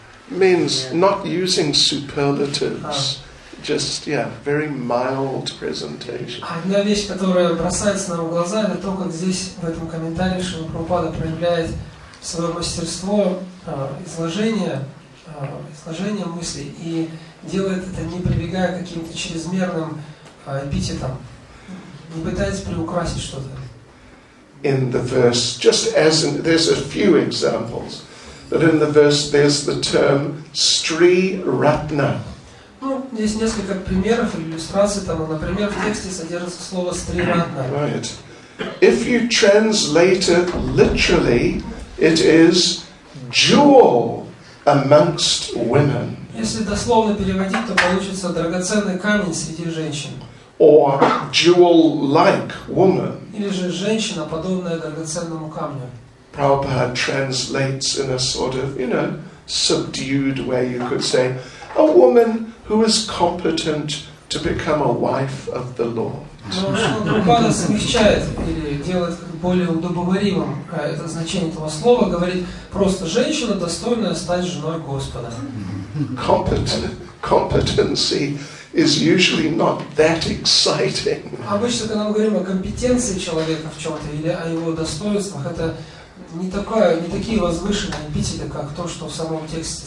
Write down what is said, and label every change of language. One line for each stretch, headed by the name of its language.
English: Means not using superlatives, just very mild presentation.
Russian: Одна вещь, которая бросается нам в глаза, это то, как здесь в этом комментарии Шрила Прабхупада проявляет свое мастерство изложения мысли и делает это не прибегая к каким-то чрезмерным эпитетам, не пытается приукрасить что-то.
English: In the verse, just as in, there's a few examples, but in the verse there's the term Sri Ratna.
Russian: Ну, здесь несколько примеров или иллюстраций тому. Например, в тексте содержится слово Sri Ratna.
English: Right. If you translate it literally, it is jewel amongst women.
Russian: Если дословно переводить, то получится драгоценный камень среди женщин.
English: Or jewel-like woman.
Russian: Или же женщина, подобная драгоценному камню.
English: Prabhupada translates in a sort of, subdued way, you could say, a woman who is competent to become a wife of the Lord.
Russian: Prabhupada смягчает или делает более удобоваримым это значение этого слова, говорит, просто женщина, достойная стать женой Господа.
English: Competency is usually not that exciting.
Russian: Обычно, когда мы говорим о компетенции человека в чем-то или о его достоинствах, это не такие возвышенные эпитеты, как то, что в самом тексте